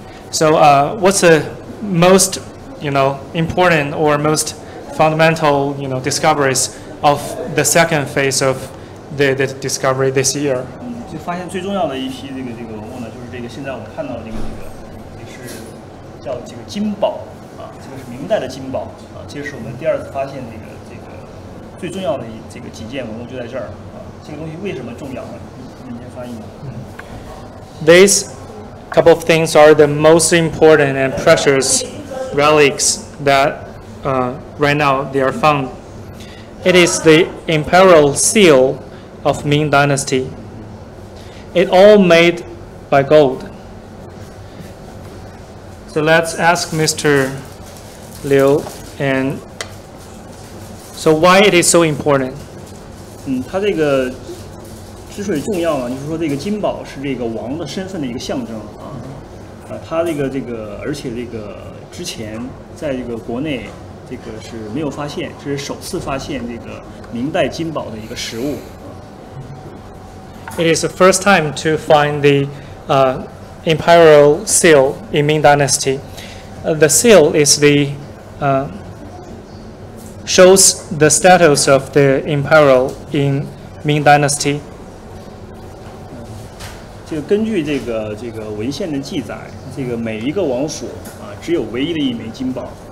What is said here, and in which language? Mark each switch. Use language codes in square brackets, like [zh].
[en] So what's the most, you know, important or most fundamental, you know, discoveries of the second phase of the discovery this year? [zh] 就发现最重要的一批这个文物呢，就是这个现在我们看到的这个也是叫这个金宝啊，这个是明代的金宝。这是我们第二次发现这个最重要的这个几件文物就在这儿这个东西为什么重要呢？你先翻译吧。 [en] These couple of things are the most important and precious relics that right now they are found. It is the imperial seal of Ming Dynasty. It all made by gold. So let's ask Mr. Liu. And so, why it is so important? [zh] 它这个之所以重要呢，就是说这个金宝是这个王的身份的一个象征它这个，而且这个之前在这个国内这个是没有发现，这是首次发现这个明代金宝的一个实物。 [en] It is the first time to find the imperial seal in Ming Dynasty. The seal is the shows the status of the imperial in Ming Dynasty. [zh] 这个根据这个文献的记载，这个每一个王府只有唯一的一枚金宝，